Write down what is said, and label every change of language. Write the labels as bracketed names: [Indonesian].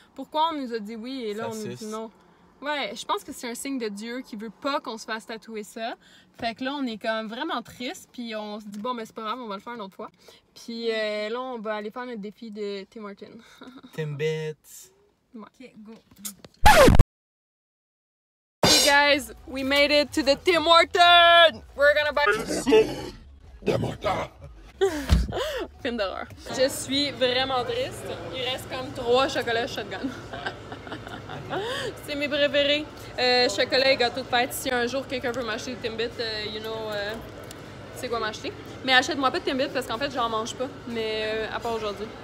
[French] Pourquoi on nous a dit oui, et là, on nous dit non? Ouais, je pense que c'est un signe de Dieu qui veut pas qu'on se fasse tatouer ça. Fait que là, on est comme vraiment triste, puis on se dit, bon, mais c'est pas grave, on va le faire une autre fois. Puis là, on va aller faire notre défi de Tim Hortons. Timbits. Ouais. OK, go. [English] Hey guys, we made it to the Tim Hortons! We're gonna buy Tim Hortons! [French] Film d'horreur. Je suis vraiment triste. Il reste comme 3 chocolats shotgun. C'est mes préférés. Chocolat et gâteau de fête. Si un jour quelqu'un veut m'acheter des Timbits, [English] you know, [French] c'est quoi m'acheter. Mais achète-moi pas de Timbits parce qu'en fait, j'en mange pas. Mais à part aujourd'hui.